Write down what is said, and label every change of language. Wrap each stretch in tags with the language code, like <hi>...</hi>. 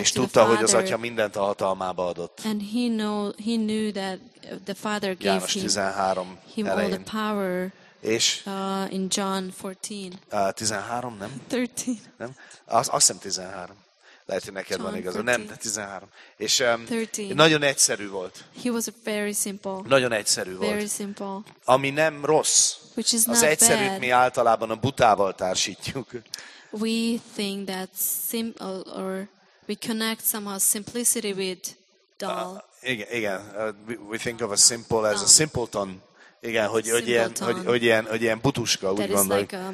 <hu>És tudta, hogy az atya mindent a hatalmába adott.</hu> <en>And he knew that the Father gave him all the power.</en> <hu>És</hu> <en>in John 14.</en> <hu>13, nem? 13. Nem? Azt hiszem 13. Lehet, hogy neked van igazad. Nem, de 13. És 13. Nagyon egyszerű volt.</hu> <en>He was very simple.</en> <hu>Nagyon egyszerű volt.</hu> <en>Very simple.</en> <hu>Ami nem rossz.</hu> <en>Which is</en> <hu>az</hu> <en>not</en> <hu>egyszerűt</hu> <en>bad.</en> <hu>Mi általában a butával társítjuk.</hu> <en>We think that simple or we connect somehow simplicity with</en> <hu>Igen.</hu> <en>We think of a simple as a simpleton.</en> <hu>Igen, hogy ilyen butuska, úgy gondoljuk.</hu>